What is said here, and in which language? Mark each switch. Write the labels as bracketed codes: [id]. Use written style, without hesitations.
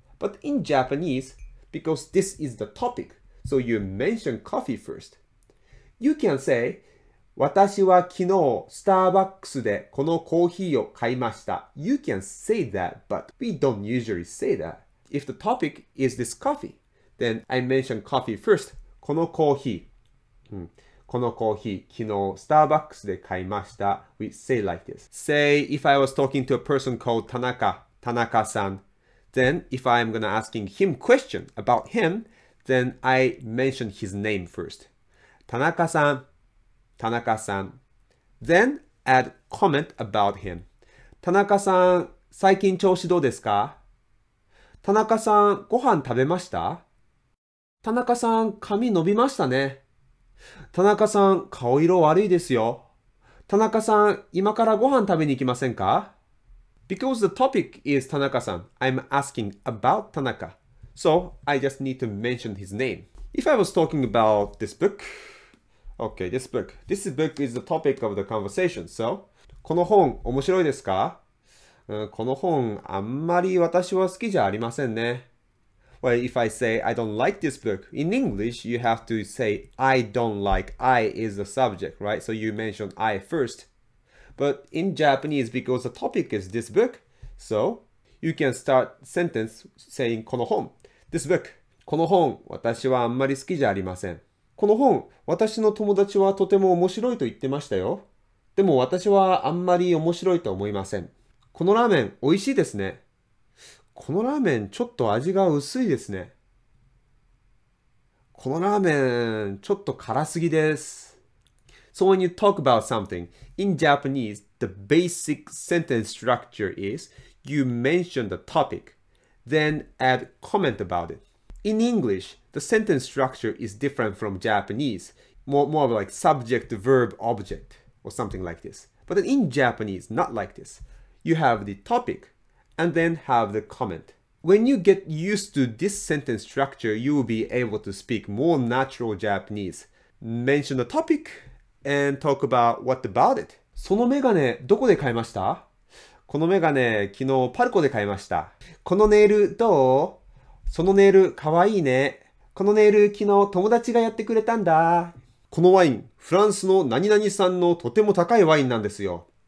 [en] But in Japanese,Because this is the topic, so you mention coffee first. You can say, [ja] 私は昨日スターバックスでこのコーヒーを買いました。 [en] You can say that, but we don't usually say that. If the topic is this coffee, then I mention coffee first. [ja] このコーヒー。このコーヒー、昨日スターバックスで買いました。 [en] We say like this. Say, if I was talking to a person called Tanaka, Tanaka さん。 Then, if I'm gonna asking him question about him, then I mention his name first. Tanaka-san, Tanaka-san. Then, add comment about him. [ja] Tanaka-san, 最近調子どうですか?Tanaka-san, ご飯食べました? Tanaka-san, 髪伸びましたね。Tanaka-san, 顔色悪いですよ。 Tanaka-san, 今からご飯食べに行きませんか? [en] Because the topic is Tanaka-san, I'm asking about Tanaka. So, I just need to mention his name. If I was talking about this book... Okay, this book. This book is the topic of the conversation, so... [ja] この本、面白いですか? この本、あんまり私は好きじゃありませんね。 [en] Well, if I say, I don't like this book, in English, you have to say, I don't like, I is the subject, right? So you mention I first. But in Japanese, because the topic is this book, so you can start sentence saying [ja] この本, [en] this book. [ja] この本、私はあんまり好きじゃありません。この本、私の友達はとても面白いと言ってましたよ。でも私はあんまり面白いと思いません。このラーメン、美味しいですね。このラーメン、ちょっと味が薄いですね。このラーメン、ちょっと辛すぎです。 [en] So when you talk about something, in Japanese, the basic sentence structure is you mention the topic, then add comment about it. In English, the sentence structure is different from Japanese, more of like subject, verb, object, or something like this. But in Japanese, not like this. You have the topic, and then have the comment. When you get used to this sentence structure, you will be able to speak more natural Japanese. Mention the topic,And talk about what about it. [ja] そのメガネどこで買いました？このメガネ昨日パルコで買いました。このネイルどう？そのネイルかわいいね。このネイル昨日友達がやってくれたんだ。このワインフランスの何々さんのとても高いワインなんですよ。